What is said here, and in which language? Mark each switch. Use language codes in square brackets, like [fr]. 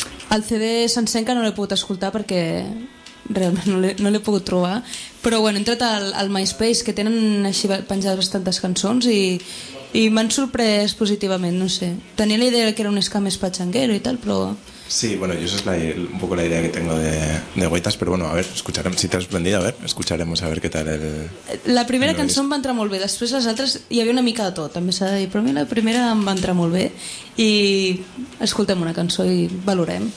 [ca] El CD sencer que no l'he pogut escoltar perquè realment no l'he pogut trobar, però bueno, he entrat al MySpace, que tenen així penjades bastantes cançons i m'han sorprès positivament, no sé. Tenia la idea que era un ska més pachanguero i tal, però... [es] Sí, bueno, yo esa es un poco la idea que tengo de Guaitas, pero bueno, a ver, escucharemos, si te has prendido, a ver, escucharemos a ver qué tal el... [ca] La primera cançó em va entrar molt bé, després les altres hi havia una mica de tot, també s'ha de dir, però a mi la primera em va entrar molt bé i escoltem una cançó i valorem.